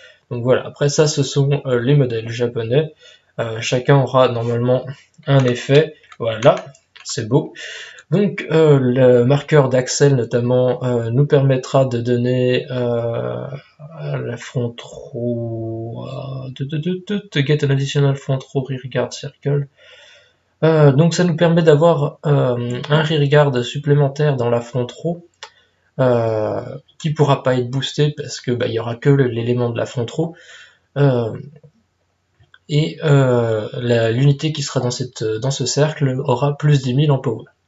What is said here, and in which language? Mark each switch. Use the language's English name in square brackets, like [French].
[French] Donc voilà, après ça, ce sont les modèles japonais. Chacun aura normalement un effet. Voilà, c'est beau. Donc le marqueur d'Axel, notamment, nous permettra de donner la front row. [English] To get an additional front row rearguard circle. [French] Donc ça nous permet d'avoir un rearguard supplémentaire dans la front row qui ne pourra pas être boosté parce que bah, il n'y aura que l'élément de la front row. Et l'unité qui sera dans ce cercle aura plus 10 000 en power.